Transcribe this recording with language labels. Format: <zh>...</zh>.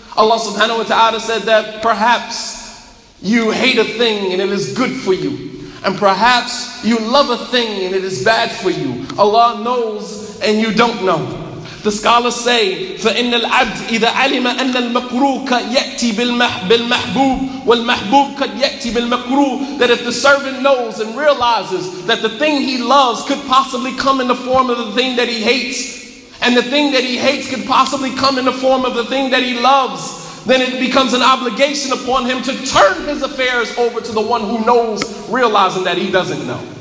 <en>Allah subhanahu wa ta'ala said that perhaps you hate a thing and it is good for you. And perhaps you love a thing and it is bad for you. Allah knows and you don't know. The scholars say,</en> <ar>فَإِنَّ الْعَبْدِ إِذَا عَلِمَ أَنَّ الْمَكْرُوهُ قَدْ يَأْتِي بِالْمَحْبُوبِ وَالْمَحْبُوبُ قَدْ يَأْتِي بِالْمَكْرُوهُ.</ar> <en>That if the servant knows and realizes that the thing he loves could possibly come in the form of the thing that he hates, and the thing that he hates could possibly come in the form of the thing that he loves, then it becomes an obligation upon him to turn his affairs over to the one who knows, realizing that he doesn't know.</en>